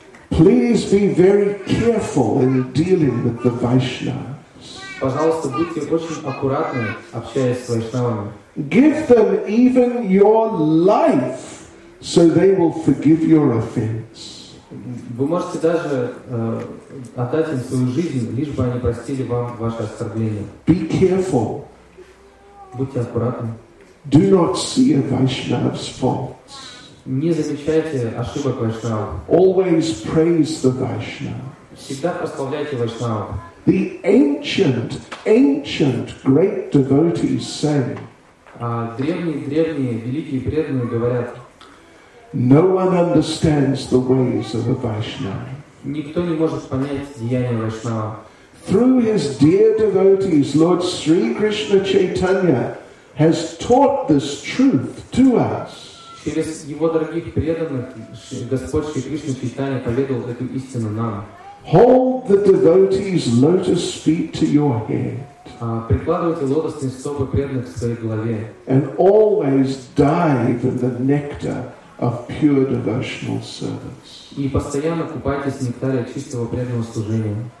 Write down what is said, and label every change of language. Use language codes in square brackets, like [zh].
[en] please be very careful in dealing with the Vaishnavas. [ru] Пожалуйста, будьте очень аккуратны, общаясь с Вайшнавами. [en] Give them even your life, so they will forgive your offense. [ru] Вы можете даже отдать им свою жизнь, лишь бы они простили вам ваше оскорбление. [en] Be careful. [ru] Будьте аккуратны. [en] Do not see a Vaishnava's faults. [ru] Не замечайте ошибок вайшнава. [en] Always praise the Vaishnava. [ru] Всегда прославляйте вайшнава. [en] The ancient, ancient great devotees say. [ru] Древние великие преданные говорят. [en] No one understands the ways of a Vaishnava. [ru] Никто не может понять деяния вайшнава. [en] Through his dear devotees, Lord Sri Krishna Chaitanya has taught this truth to us. [ru] Через его дорогих преданных Господь Шри Кришна Чайтанья поведал эту истину нам. [en] Hold the devotees' lotus feet to your head. [ru] Прикладывайте лотосные стопы преданных к своей голове. [en] And always dive in the nectar of pure devotional service. [ru] И постоянно купайтесь в нектаре чистого преданного служения.